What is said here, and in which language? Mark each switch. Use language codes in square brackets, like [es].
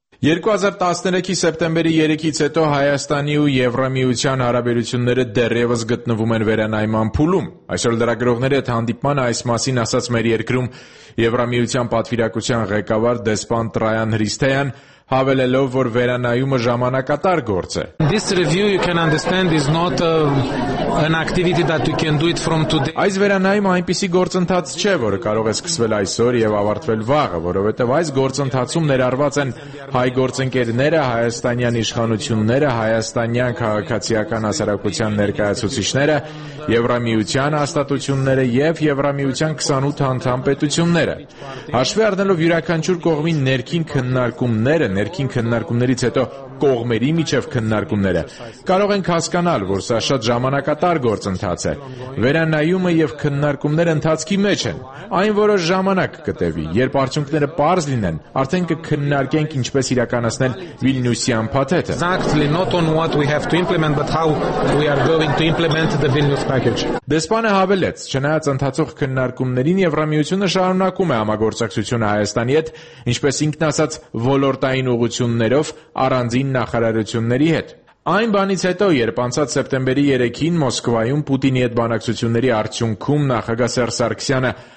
[hy] 2013-ի սեպտեմբերի 3-ից հետո Հայաստանի ու Եվրամիության հարաբերությունները դեռևս գտնվում են վերանայման փուլում։ Այսօր լրագրողների հետ հանդիպման այս մասին ասաց մեր երկրում Եվրամիության պատվիրակության ղեկավար Դեսպան Տրայան Հրիստեյան, հավելելով, որ վերանայումը ժամանակատար գործ է։ [en] This review you can understand is not an activity that you can do it from today. [hy] Այս վերանայումը այնպիսի գործընթաց չէ, որը կարող է սկսվել այսօր եւ ավարտվել վաղը, որովհետեւ այս գործընթացում ներառված են հայ գործընկերները, հայաստանյան իշխանությունները, հայաստանյան քաղաքացիական հասարակության ներկայացուցիչները, Եվրամիության հաստատությունները եւ Եվրամիության 28 անդամ պետությունները։ Հաշվի առնելով յուրաքանչյուր կողմի ներքին քննարկումները, ներքին քննարկումներից հետո կողմերի միջև քննարկումները, կարող ենք հասկանալ, որ սա շատ ժամանակատար գործընթաց է։ Վերանայումը եւ քննարկումները ընթացքի մեջ են։ Այն որոշ ժամանակ կտևի, երբ արդյունքները պարզ լինեն, արդեն կքննարկենք ինչպես իրականացնել Վիլնյուսյան փաթեթը։ [en] Exactly not on what we have to implement but how we are going to implement the Vilnius package. [hy] Դեսպանը հավելեց, չնայած ընթացող քննարկումներին Եվրամիությունը շարունակում է համագործակցությունը Հայաստանի հետ, ինչպես ինքն ասաց, օրտային ուղություններով առանձին նախարարությունների հետ։ Այն բանից հետո, երբ անցած սեպտեմբերի 3-ին Մոսկվայում Պուտինի հետ բանակցությունների արդյունքում նախագահ Սերժ Սարգսյանը